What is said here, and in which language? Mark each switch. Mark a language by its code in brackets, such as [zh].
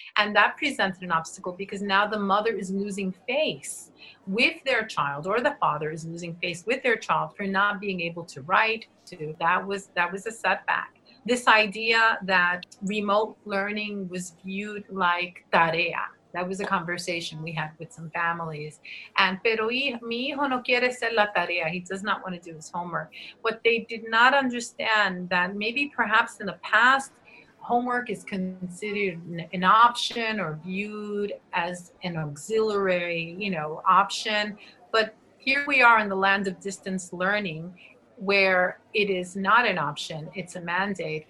[en] And that presented an obstacle because now the mother is losing face with their child, or the father is losing face with their child for not being able to write. That was a setback. This idea that remote learning was viewed like tarea. That was a conversation we had with some families. [es] And, pero mi hijo no quiere hacer la tarea. [en] He does not want to do his homework. What they did not understand that maybe perhaps in the past, homework is considered an option or viewed as an auxiliary, you know, option. But here we are in the land of distance learning, where it is not an option. It's a mandate.